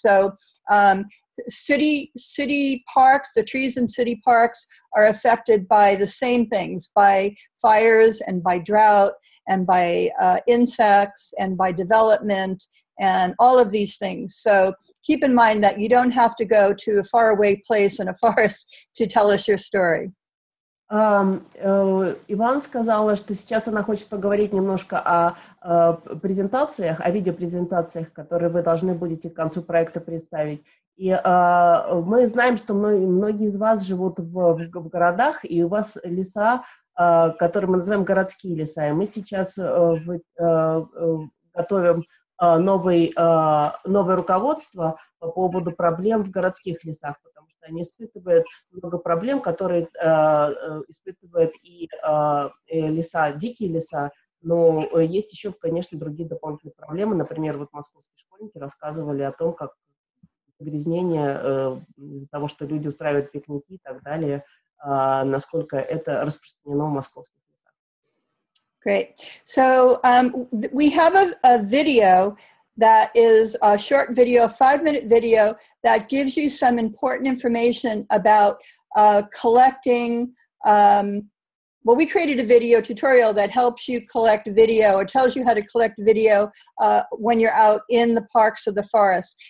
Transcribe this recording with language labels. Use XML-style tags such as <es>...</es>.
<en>So city parks, the trees in city parks are affected by the same things, by fires and by drought and by insects and by development and all of these things. So keep in mind that you don't have to go to a faraway place in a forest to tell us your story.</en> <ru>Иван сказала, что сейчас она хочет поговорить немножко о презентациях, о видеопрезентациях, которые вы должны будете к концу проекта представить. И мы знаем, что многие из вас живут в городах, и у вас леса, которые мы называем городские леса. И мы сейчас готовим новое руководство по поводу проблем в городских лесах, потому что они испытывают много проблем, которые испытывают и леса, дикие леса, но есть еще, конечно, другие дополнительные проблемы. Например, вот московские школьники рассказывали о том, как загрязнение из-за того, что люди устраивают пикники и так далее, насколько это распространено в московских.</ru> <en>Great. So we have a video that is a short video, a 5-minute video that gives you some important information about collecting. Well, we created a video tutorial that helps you collect video or tells you how to collect video when you're out in the parks or the forest.</en>